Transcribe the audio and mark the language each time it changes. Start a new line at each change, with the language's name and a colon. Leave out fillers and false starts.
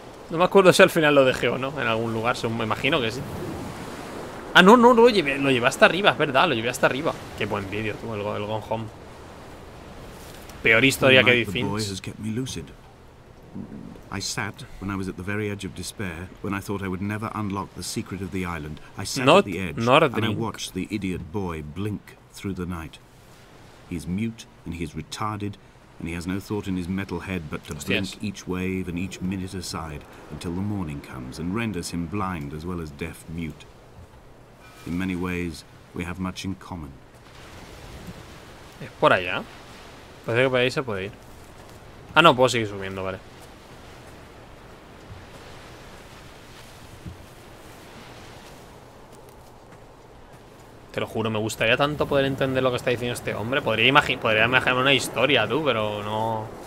Spanish: No me acuerdo si al final lo dejé o no. En algún lugar, me imagino que sí. Ah, no, no, lo llevé hasta arriba. Es verdad, lo llevé hasta arriba. Qué buen vídeo, tú, el Gone Home. Peor historia que Edith Finch.
English: I sat when I was at the very edge of despair, when I thought I would never unlock the secret of the island. I sat not, at the edge and I watched the idiot boy blink through the night. He's mute and he's retarded and he has no thought in his metal head but to blink each wave and each minute aside until the morning comes and renders him blind as well as deaf mute. In many ways, we have much in common.
Spanish: Es por allá. Parece que por ahí se puede ir. Ah, no, puedo seguir subiendo, vale. Te lo juro, me gustaría tanto poder entender lo que está diciendo este hombre. Podría imaginarme una historia, tú, pero no.